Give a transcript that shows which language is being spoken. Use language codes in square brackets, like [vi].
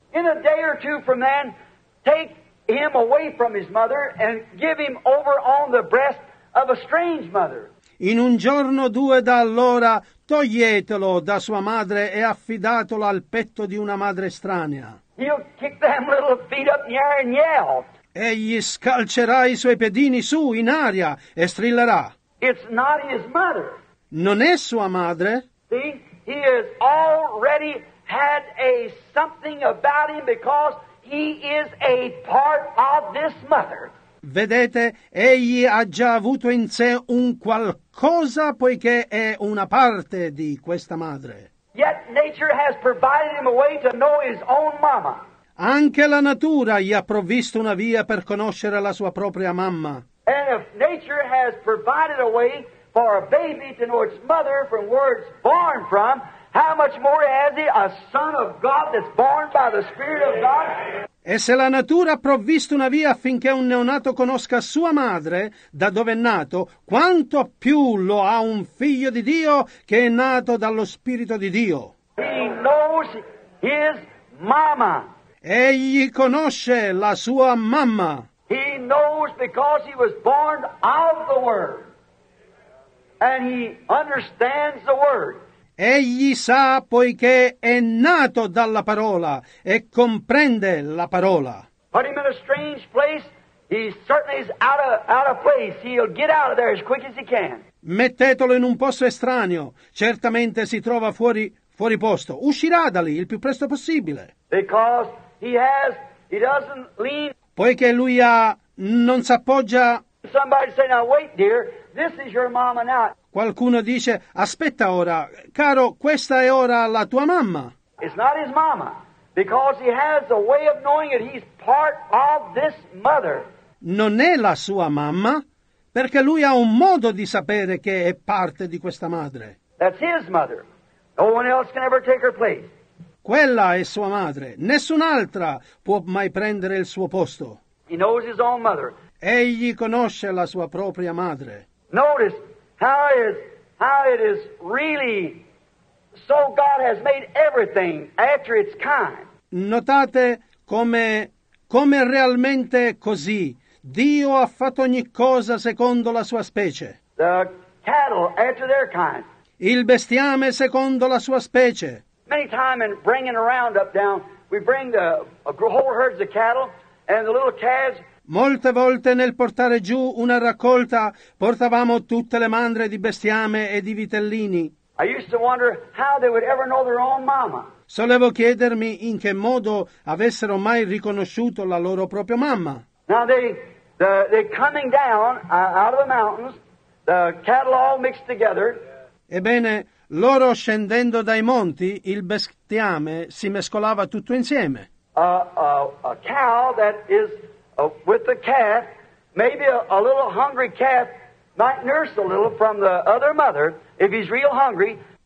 [en] In a day or two from then, take him away from his mother and give him over on the breast of a strange mother. [it] In un giorno o due da allora, toglietelo da sua madre e affidatelo al petto di una madre estranea. [en] He'll kick them little feet up in the air and yell. [it] Egli scalcerà i suoi piedini su in aria e strillerà. [en] It's not his mother. [it] Non è sua madre. [en] See, he has already had a something about him because he is a part of this mother. [it] Vedete, egli ha già avuto in sé un qualcosa poiché è una parte di questa madre. [en] Yet nature has provided him a way to know his own mama. [it] Anche la natura gli ha provvisto una via per conoscere la sua propria mamma. [en] And if nature has provided a way for a baby to know its mother from where it's born from, how much more has he a son of God that's born by the Spirit of God? [it] E se la natura ha provvisto una via affinché un neonato conosca sua madre, da dove è nato, quanto più lo ha un figlio di Dio che è nato dallo Spirito di Dio? [en] He knows his mama. [it] Egli conosce la sua mamma. [en] He knows because he was born of the Word. And he understands the Word. [it] Egli sa poiché è nato dalla parola e comprende la parola. [en] Put him in a strange place, he certainly is out of place. He'll get out of there as quick as he can. [it] Mettetelo in un posto estraneo, certamente si trova fuori posto. Uscirà da lì il più presto possibile. [en] Because he doesn't lean. [it] Poiché lui ha, non s'appoggia. [en] Somebody say, now wait, dear, this is your mama now. [it] Qualcuno dice, aspetta ora, caro, questa è ora la tua mamma. [en] It's not his mama, because he has a way of knowing it. He's part of this mother. [it] Non è la sua mamma, perché lui ha un modo di sapere che è parte di questa madre. [en] That's his mother. No one else can ever take her place. [it] Quella è sua madre. Nessun'altra può mai prendere il suo posto. [en] He knows his own mother. [it] Egli conosce la sua propria madre. [en] Notice how it is really so God has made everything after its kind. [it] Notate come realmente così. Dio ha fatto ogni cosa secondo la sua specie. [en] The cattle after their kind. [it] Il bestiame secondo la sua specie. [en] Many times in bringing a roundup down, we bring a whole herds of cattle and the little calves. [it] Molte volte nel portare giù una raccolta portavamo tutte le mandre di bestiame e di vitellini. [en] I used to wonder how they would ever know their own mama. [it] Solevo chiedermi in che modo avessero mai riconosciuto la loro propria mamma. [en] Now they coming down out of the mountains, the cattle all mixed together. [it] Ebbene, loro scendendo dai monti, il bestiame si mescolava tutto insieme. [en] A cow that is with the calf, maybe a little hungry calf might nurse a little from the other mother if he's real hungry.